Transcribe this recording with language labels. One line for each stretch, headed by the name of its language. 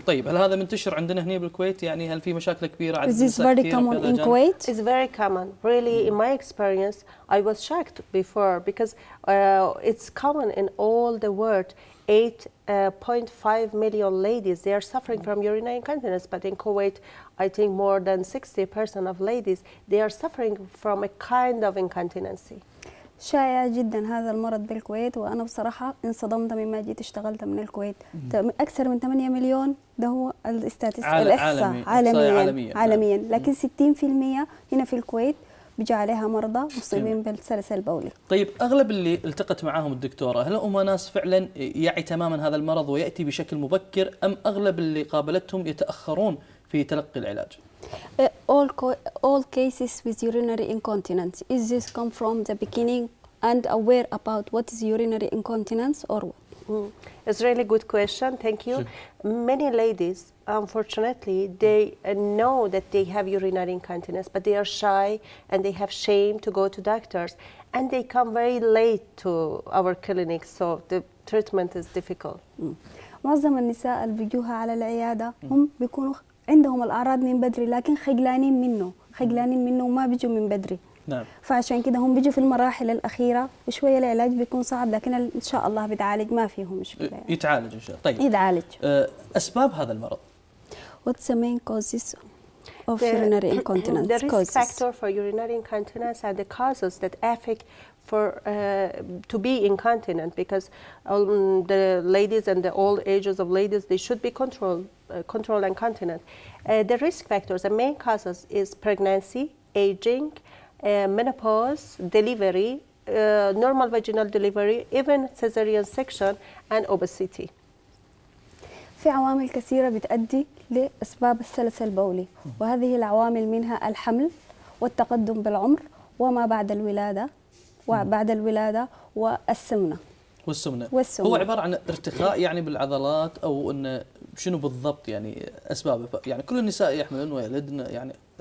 Arabic: طيب هل هذا منتشر عندنا هنا بالكويت؟ يعني هل في مشاكل كبيرة؟
English: Is this very common in Kuwait? It's very common. Really, in my experience, I was shocked before because it's common in all the world. 8.5 million ladies, they are suffering from urinary incontinence. But in Kuwait, I think more than 60% of ladies, they are suffering from a kind of incontinency.
Arabic: شائع جدا هذا المرض بالكويت، وانا بصراحه انصدمت مما جيت اشتغلت من الكويت. اكثر من 8 مليون، ده هو الاستاتستيك الاحصاء عالميا. لكن 60% هنا في الكويت بيجي عليها مرضى مصابين بالسلس البولي. طيب اغلب اللي التقت معاهم الدكتوره، هل هم ناس فعلا يعي تماما هذا المرض وياتي بشكل مبكر، ام اغلب اللي قابلتهم يتاخرون في تلقي العلاج؟
English: All cases with urinary incontinence, is this come from the beginning and aware about what is urinary incontinence or what? It's really good question. Thank you. Sure. Many ladies, unfortunately, they know that they have urinary incontinence, but they are shy and they have shame to go to doctors, and they come very late to our clinic, so the treatment is difficult.
Arabic: معظم النساء اللي بيجوها على العيادة هم بيكونوا عندهم الأعراض من بدري، لكن خجلانين منه وما بيجوا من بدري. نعم. فعشان كده هم بيجوا في المراحل الأخيرة، وشوية العلاج بيكون صعب، لكن إن شاء الله بيتعالج، ما فيه مشكلة. يعني. يتعالج إن شاء الله. طيب. يتعالج. أسباب هذا المرض.
English: What's the main causes of urinary incontinence? The risk factor for urinary incontinence and the causes that affect for to be incontinent, because the ladies and the old ages of ladies, they should be controlled incontinent. The risk factors, the main causes is pregnancy, aging, menopause, delivery, normal vaginal delivery, even cesarean section and obesity.
Arabic: في عوامل كثيرة بتؤدي لأسباب السلس البولي، وهذه العوامل منها الحمل والتقدم بالعمر وما بعد الولادة والسمنة. هو عبارة عن ارتخاء يعني بالعضلات، أو إن شنو بالضبط يعني أسبابه؟ يعني كل النساء يحملن ويلدن، يعني